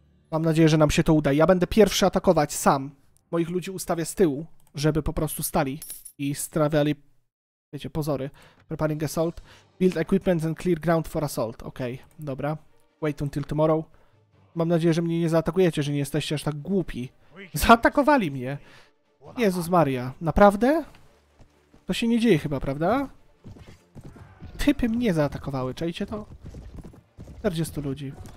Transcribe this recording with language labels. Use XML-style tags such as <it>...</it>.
<pl>Mam nadzieję, że nam się to uda. Ja będę pierwszy atakować sam. Moich ludzi ustawię z tyłu, żeby po prostu stali. I strawiali, wiecie, pozory.</pl> <en>Preparing assault. Build equipment and clear ground for assault. Ok, dobra. Wait until tomorrow.</en> <pl>Mam nadzieję, że mnie nie zaatakujecie, że nie jesteście aż tak głupi. Zaatakowali mnie. Jezus Maria, naprawdę? To się nie dzieje chyba, prawda? Typy mnie zaatakowały, czajcie to? 40 ludzi.</pl>